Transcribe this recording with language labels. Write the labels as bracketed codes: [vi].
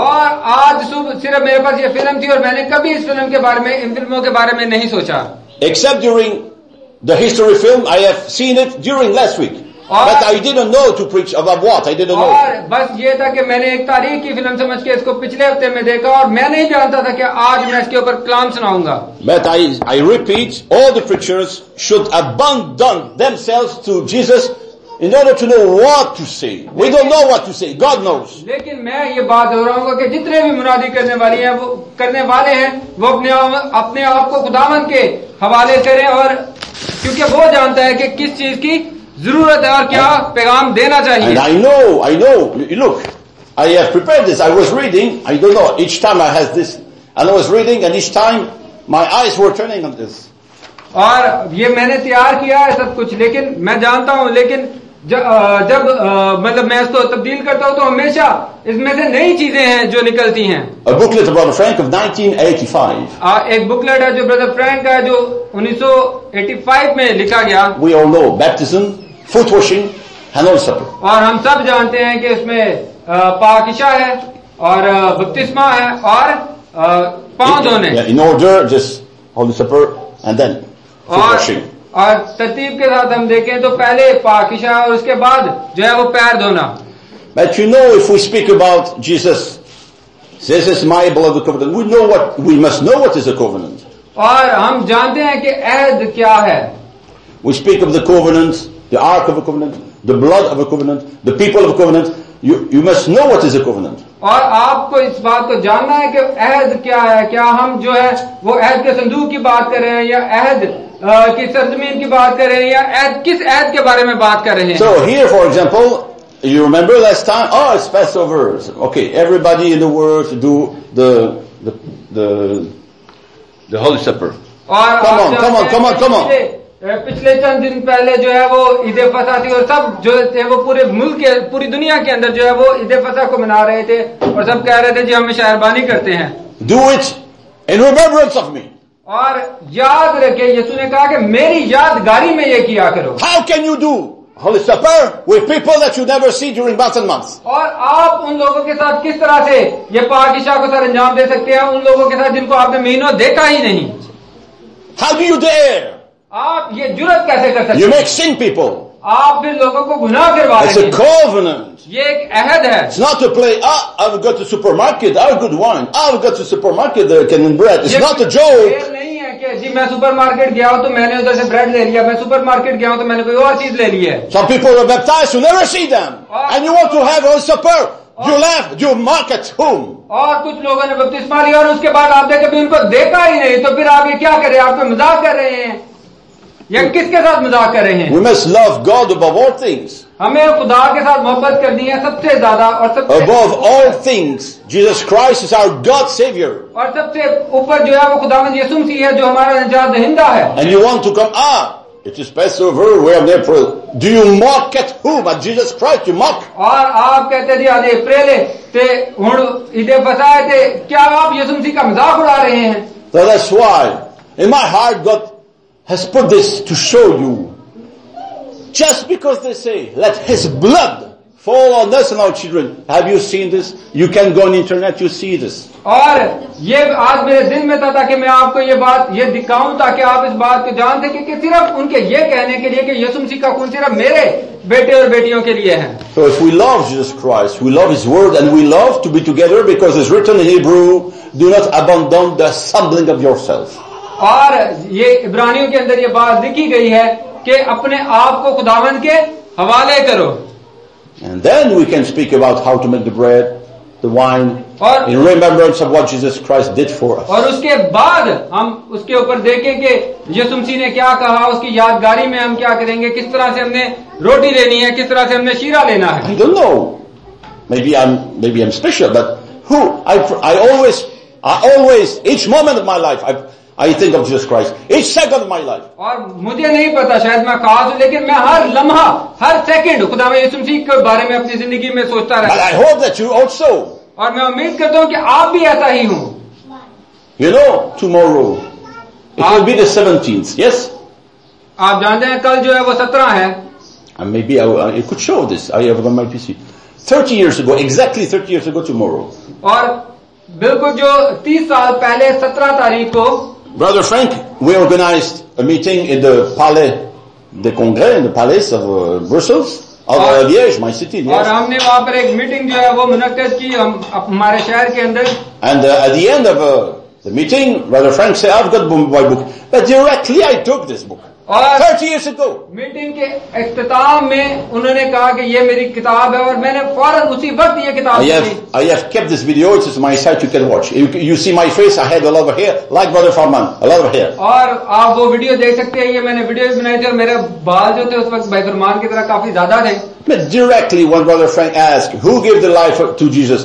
[hi] और आज सुबह सिर्फ मेरे पास ये फिल्म थी और मैंने कभी इस फिल्म के बारे में इन फिल्मों के बारे में नहीं सोचा. [en] Except during the history film, I have seen it during last week. But I didn't know to preach about what. I didn't know. [hi] और बस ये था कि मैंने एक तारीख की फिल्म समझ के इसको पिछले हफ्ते में देखा और मैं नहीं जानता था कि आज मैं इसके ऊपर कलाम सुनाऊंगा. [en] But I repeat, all the preachers should abandon themselves to Jesus. In order to know what to say. We don't know what to say. God knows. [hi] लेकिन मैं ये बात हो रहा हूँ कि जितने भी मुनादी करने वाली हैं, वो करने वाले हैं, वो अपने आप को खुदावन के हवाले करें और क्योंकि वो जानता है कि किस चीज की जरूरत है और क्या पैगाम देना चाहिए. [en] And I know. Look, I have prepared this. I was reading. I don't know. Each time I had this. And I was reading and each time my eyes were turning on this. [hi] और ये मैंने तैयार किया है सब कुछ लेकिन मैं जानता हूँ लेकिन जब मतलब मैं इसको तब्दील करता हूँ तो हमेशा इसमें से नई चीजें हैं जो निकलती हैं. [en] A booklet of Brother Frank of 1985. [hi] एक बुकलेट है जो ब्रदर फ्रैंक का है जो 1985 में लिखा गया. [en] We all know baptism, foot washing, and all supper. [hi] और हम सब जानते हैं कि इसमें पाकिशा है और बपतिस्मा है और पांव धोने. [en] In order, just Holy Supper and then [hi] और तरतीब के साथ हम देखें तो पहले पाकिशा और उसके बाद जो है वो पैर धोना. [en] But you know if we speak about Jesus, this is my beloved covenant. We know what we must know what is a covenant. [hi] और हम जानते हैं कि अहद क्या है. [en] We speak of the covenant, the ark of a covenant, the blood of a covenant, the people of a covenant. You must know what is a covenant. [hi] और आपको इस बात को जानना है कि अहद क्या है. क्या हम जो है वो अहद के संदूक की बात कर रहे हैं या अहद की सरजमीन की बात कर रहे हैं या अहद किस अहद के बारे में बात कर रहे हैं. [en] So here for example, you remember last time, oh it's Passover. Okay, everybody in the world do the Holy Supper. Come on. [hi] पिछले चंद दिन पहले जो है वो ईद फसा थी और सब जो थे वो पूरे मुल्क के पूरी दुनिया के अंदर जो है वो ईद फसा को मना रहे थे और सब कह रहे थे जी हम शहरबानी करते हैं. [en] Do it in remembrance of me. [hi] और याद रखे यीशु ने कहा कि मेरी यादगारी में ये किया करो. [en] How can you do Holy Supper with people that you never see during months and months. [hi] और आप उन लोगों के साथ किस तरह से ये पाकिशा को सर अंजाम दे सकते हैं उन लोगों के साथ जिनको आपने महीनों देखा ही नहीं. [en] How do you dare. [hi] आप ये जुरत कैसे कर सकते. [en] You make sin people. [hi] आप फिर लोगों को गुनाह फिरवा रहे हैं। ये एक अहद है। [en] It's not to play. I've got the supermarket. I've got wine. I've got the supermarket that I can eat bread. It's not a joke. [hi] ये नहीं है कि जी मैं सुपरमार्केट गया हूँ तो मैंने उधर से ब्रेड ले लिया। मैं सुपरमार्केट गया हूँ तो मैंने कोई और चीज ले ली है। [en] Some people are baptized who never see them. And you want to have a supper? You left your market home. [hi] और कुछ लोगों ने बपतिस्मा लिया और उसके बाद आपने कभी उनको देखा ही नहीं, तो फिर आप ये क्या करें? आप मजाक कर रहे हैं या किसके साथ मजाक कर रहे हैं? [en] We must love God above all things. [hi] हमें खुदा के साथ मोहब्बत करनी है सबसे ज्यादा और सबसे [en] above all things, Jesus Christ is our God Savior. [hi] और सबसे ऊपर जो है वो खुदावंद यीशु मसीह है जो हमारा निजात दहिंदा है. [en] And you want to come up? It is Passover. We are there for. Do you mock at whom? At Jesus Christ? You mock. [hi] और आप कहते थे आधे प्रेले ते उन इधे बताए थे क्या आप यीशु मसीह का मजाक उड़ा रहे हैं? [en] So that's why in my heart God has put this to show you. Just because they say let His blood fall on us and our children, have you seen this? You can go on the internet. You see this. [hi] और ये आज मेरे दिल में था ताकि मैं आपको ये बात ये दिखाऊं ताकि आप इस बात को जान सकें कि सिर्फ उनके ये कहने के लिए कि यीशु मसीह का खून सिर्फ मेरे बेटे और बेटियों के लिए है. [en] So if we love Jesus Christ, we love His word and we love to be together because it's written in Hebrew, do not abandon the assembling of yourself. [hi] और ये इब्रानियों के अंदर ये बात लिखी गई है कि अपने आप को खुदावंद के हवाले करो. [en] And then we can speak about how to make the bread, the wine, [hi] और, [en] in remembrance of what Jesus Christ did for us. [hi] और उसके बाद हम उसके ऊपर देखें कि यीशु मसीह ने क्या कहा, उसकी यादगारी में हम क्या करेंगे, किस तरह से हमने रोटी लेनी है, किस तरह से हमने शीरा लेना है. [en] I don't know. Maybe I'm special, but who? I always, each moment of my life, I think of Jesus Christ each second of my life. [hi] और मुझे नहीं पता शायद मैं खास हूं, लेकिन मैं हर लम्हा हर सेकंड खुदावंद यीशु मसीह के बारे में अपनी जिंदगी में सोचता रहा. [en] I hope that you also. [hi] और मैं उम्मीद करता हूं कि आप भी ऐसा ही हूं. [en] You know, tomorrow it will be the 17th. Yes. [hi] आप जानते हैं कल जो है वो 17 है. [en] And maybe I could show this. I have it on my PC. 30 years ago, exactly 30 years ago tomorrow. [hi] और बिल्कुल जो 30 साल पहले 17 तारीख को [en] Brother Frank, we organized a meeting in the Palais de Congrès, in the Palace of Brussels, of Liège, my city. [hi] और हमने वहाँ पर एक meeting जो है वो मुनक्कद की हम हमारे शहर के अंदर. [en] And at the end of the meeting, Brother Frank said, "I've got my book, but directly I took this book 30 years ago." [hi] Meeting के इख्तिताम में उन्होंने कहा कि ये मेरी किताब है और मैंने फौरन उसी वक्त ये किताब ली. [en] I have kept this video. It's my site. You can watch. You see my face. I had a lot of hair, like Brother Farman, a lot of hair. [hi] और आप वो वीडियो देख सकते हैं. ये मैंने वीडियो भी बनाई थी और मेरे बाल जो थे उस वक्त भाई फरमान की तरह काफी ज्यादा थे. [en] But directly when Brother Frank asked, "Who gave the life to Jesus?"